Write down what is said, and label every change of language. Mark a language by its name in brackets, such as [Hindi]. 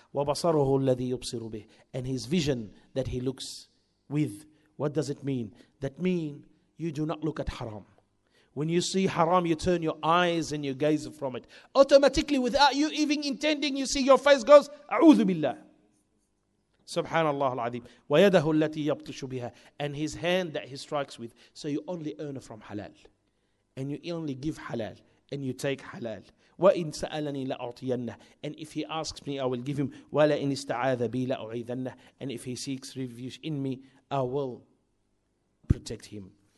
[Arabic] وَبَصَرُهُ الَّذِي يُبْصِرُ بِهِ. [English] And his vision that he looks with. What does it mean? That mean you do not look at haram. When you see haram, you turn your eyes and you gaze from it. Automatically, without you even intending, you see your face goes, [Arabic] أعوذ بالله. سبحان الله العظيم ويده التي يبطش بها. [English] And his hand that he strikes with. So you only earn from halal. And you only give halal. And you take halal. [Arabic] وَإِنْ سَأَلَنِي لَأُعْطِيَنَّهُ. [English] And if he asks me, I will give him. [Arabic] وَلَإِنْ إِسْتَعَاذَ بِي لَأُعِيذَنَّهُ. [English] And if he seeks refuge in me, I will protect him.